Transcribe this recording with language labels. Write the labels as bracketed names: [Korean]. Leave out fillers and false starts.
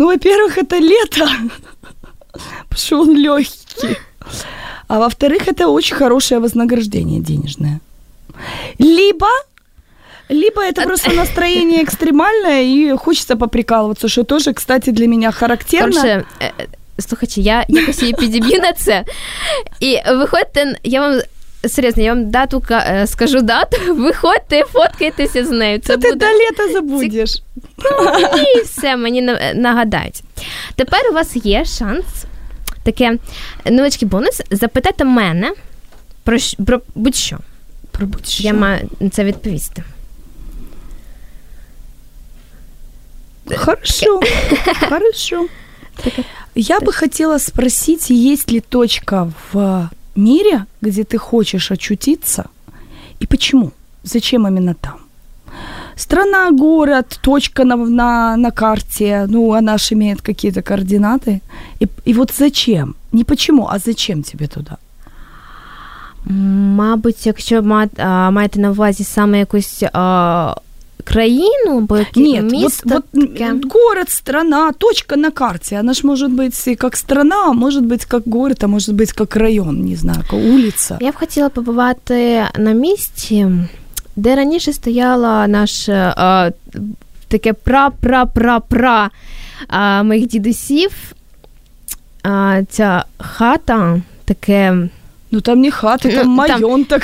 [Russian] Ну, во-первых, это лето, потому что он легкий. А во-вторых, это очень хорошее вознаграждение денежное. Либо это просто настроение экстремальное, и хочется поприкалываться, что тоже, кстати, для меня характерно. [Ukrainian] Короче, слухайте, я якось її підіб'ю на це. І виходьте, я вам, серйозно, я вам дату, скажу дату, виходьте, фоткайтеся з нею. Це буде... ти до літа забудеш. Ну, і все, мені нагадають. Тепер у вас є шанс... Таке, невеличкий бонус, запитати мене про будь-що. Про будь-що. Я маю це відповісти. [Russian] Хорошо, хорошо. [Ukrainian] Я би хотіла спросити, є ли точка в мірі, де ти хочеш очутитися, і чому, зачем іменно там? [Russian] Страна, город, точка на карте, ну, она же имеет какие-то координаты. И вот зачем? Не почему, а зачем тебе туда? [Ukrainian] Мабуть, якщо маєте на увазі саме якусь країну, бо місто... [Russian] Нет, вот город, страна, точка на карте, она же может быть и как страна, а может быть как город, а может быть как район, не знаю, как улица. [Ukrainian] Я б хотіла побувати на місці... Де раніше стояла наша таке пра-пра-пра-пра моїх дідусів, ця хата, таке... Ну там не хата, там майонтак.